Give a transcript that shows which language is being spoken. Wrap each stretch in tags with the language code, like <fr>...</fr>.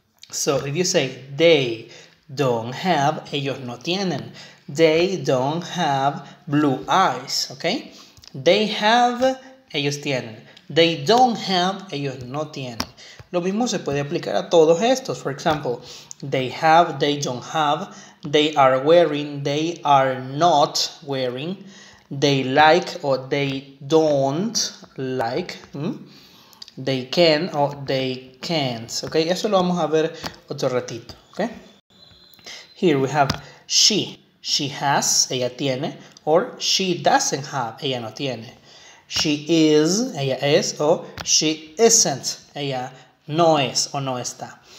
<en>So if you say they don't have,</en> <es>ellos no tienen.</es> <en>They don't have blue eyes. Okay? They have,</en> <es>ellos tienen.</es> <en>They don't have,</en> <es>ellos no tienen. Lo mismo se puede aplicar a todos estos.</es> <en>For example, they have, they don't have, they are wearing, they are not wearing, they like or they don't like, they can or they can't.</en> <es>Okay, eso lo vamos a ver otro ratito.</es> <en>Okay? Here we have she has,</en> <es>ella tiene,</es> <en>or she doesn't have,</en> <es>ella no tiene.</es> <en>She is,</en> <es>ella es, o</es> <en>she isn't,</en> <es>ella no es o no está.</es>